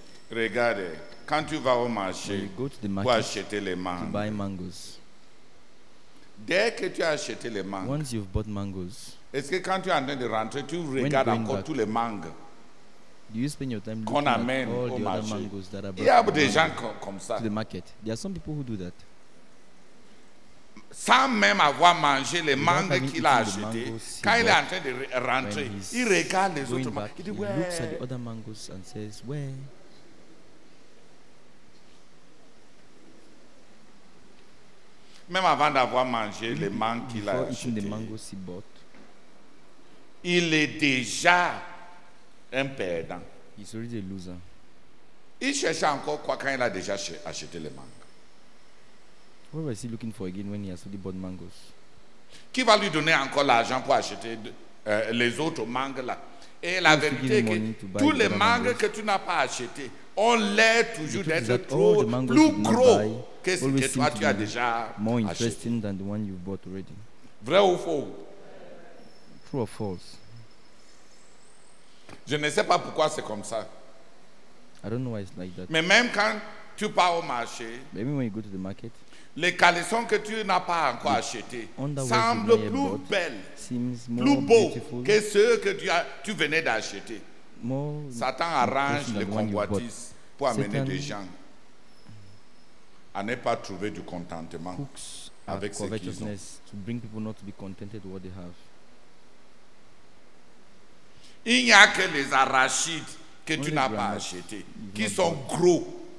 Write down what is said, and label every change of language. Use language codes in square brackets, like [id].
[fr] Regarde, quand tu vas au marché [en] market, [fr] pour acheter les mangues, [en] to buy mangoes. [fr] Dès que tu as acheté les mangues, [en] once you've bought mangoes, [fr] est-ce que quand tu es en train de rentrer, tu regardes encore tous les mangues? [en] Do you spend your time looking at all the other mangoes that are brought to the market? [fr] Comme ça. [en] To the market. There are some people who do that. [fr] Sans même avoir mangé les mangues qu'il a achetées, quand il est en train de rentrer, il regarde les autres mangues. [en] He looks at the other mangoes and says, where? [fr] Même avant d'avoir mangé les mangues qu'il a achetées, [en] before eating the mangoes he bought, [fr] il est déjà un perdant. [en] He's already a loser. [fr] Il cherchait encore quoi quand il a déjà acheté les mangues? [en] What was he looking for again when he has already bought mangoes? [fr] Qui va lui donner encore l'argent pour acheter les autres mangues là? Et la vérité est que tous les mangues que tu n'as pas achetées ont l'air toujours d'être trop plus gros que ce que toi tu as déjà acheté. [en] More interesting than the one you bought already. [fr] Vrai ou faux? [en] True or false? [fr] Je ne sais pas pourquoi c'est comme ça. [en] I don't know why it's like that. [fr] Mais même quand tu pars au marché, [en] maybe when you go to the market, [fr] les caleçons que tu n'as pas encore achetés semblent plus belles, plus beaux que ceux que tu venais d'acheter. Satan arrange les convoitises pour amener des gens à ne pas trouver du contentement avec ce qu'ils ont. [en] To bring people not to be contented with what they have. [fr] Il n'y a que les arachides que tu n'as pas achetés, qui sont gros.